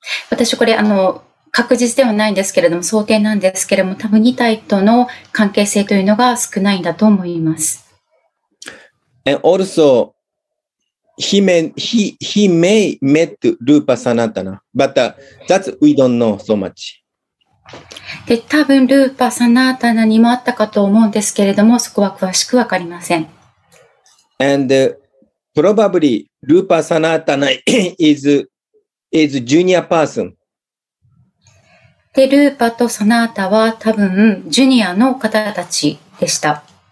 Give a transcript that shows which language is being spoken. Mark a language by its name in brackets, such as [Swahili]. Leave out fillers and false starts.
[Japanese] 私これ確実ではないんですけれども想定なんですけれども多分二体との関係性というのが少ないんだと思います。 [English] And also he may met Rupa Sanatana, but that's we don't know so much. [Japanese] で多分ルーパ・サナータナにもあったかと思うんですけれどもそこは詳しくわかりません。 [English] And probably ルーパ・サナータナ is junior person. [Japanese] で、ルーパとサナータは多分ジュニアの方たちでした。